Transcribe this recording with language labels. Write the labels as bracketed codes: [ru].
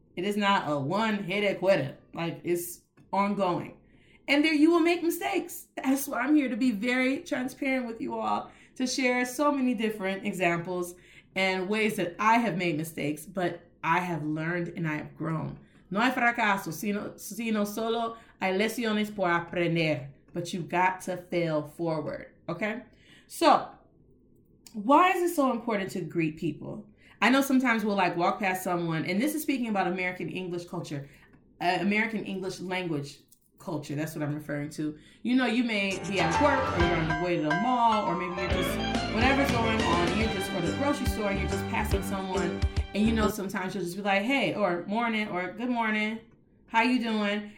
[en] It is not a one-hit quitter. Like, it's ongoing. And there you will make mistakes. That's why I'm here, to be very transparent with you all, to share so many different examples and ways that I have made mistakes, but I have learned and I have grown. [es] No hay fracaso, sino solo hay lesiones por aprender. [en] But you've got to fail forward, okay? So, why is it so important to greet people? I know sometimes we'll like walk past someone, and this is speaking about American English culture, American English language culture. That's what I'm referring to. You know, you may be at work, or you're on your way to the mall, or maybe you're just, whatever's going on, you're just going to the grocery store, and you're just passing someone, and you know sometimes you'll just be like, hey, or morning, or good morning, how you doing?